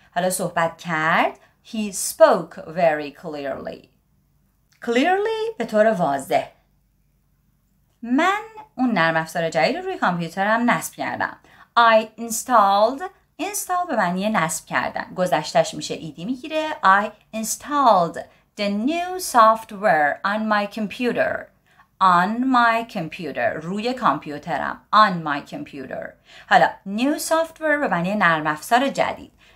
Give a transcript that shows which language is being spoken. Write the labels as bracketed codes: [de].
[en] حالا صحبت کرد. He spoke very clearly. [fa] Clearly به طور واضح. من اون نرم افزار جدید روی کامپیوترم نصب کردم. [en] I installed. [fa] Install به معنی نصب کردن. گذشتش میشه ایدی میگیره. [en] I installed the new software on my computer. On my computer. روی کامپیوترم. On my computer. [fa] حالا new software به معنی نرم افزار جدید.